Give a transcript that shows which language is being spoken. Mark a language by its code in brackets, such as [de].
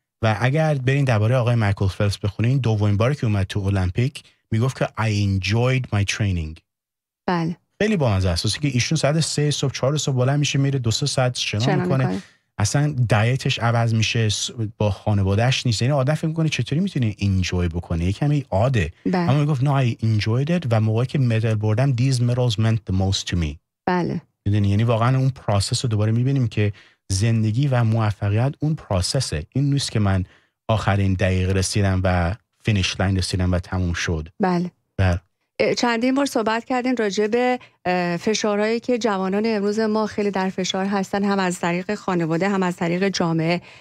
[fa] و اگر برین درباره آقای مایکل فلپس بخونین، دومین باری که اومد تو المپیک میگفت که [en] I enjoyed my training. [fa] بله. خیلی بامزه است که ایشون ساعت 3 صبح 4 صبح بلند میشه میره 2 ساعت شنا میکنه. اصلا دایتش عوض میشه، با خانوادهش نیست. یعنی عادت میکنه چطوری میتونه انجوی بکنه، یکمی عاده. بله. اما میگفت نه I enjoyed it و موقعی که مدال بردم [en] these medals meant the most to me. [fa] بله. میدونی یعنی واقعا اون پروسس رو دوباره میبینیم که زندگی و موفقیت اون پروسسه. این نیست که من آخرین دقیقه رسیدم و فینیش لاین رسیدم و تموم شد. بله. بله. چندین بار صحبت کردین راجع به فشارهایی که جوانان امروز ما خیلی در فشار هستن، هم از طریق خانواده هم از طریق جامعه.